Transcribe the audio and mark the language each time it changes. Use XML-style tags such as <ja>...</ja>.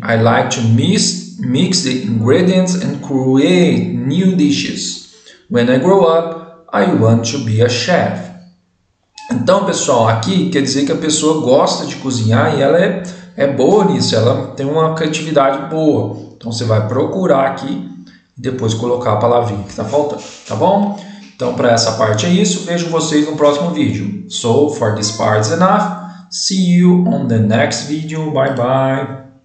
<en>I like to mix the ingredients and create new dishes. When I grow up, I want to be a chef.</en> <pt>Então, pessoal, aqui quer dizer que a pessoa gosta de cozinhar e ela é boa nisso, ela tem uma criatividade boa. Então, você vai procurar aqui e depois colocar a palavrinha que está faltando, tá bom? Então, para essa parte é isso. Vejo vocês no próximo vídeo.</pt> <en>So, for this part is enough. See you on the next video. Bye, bye.</en>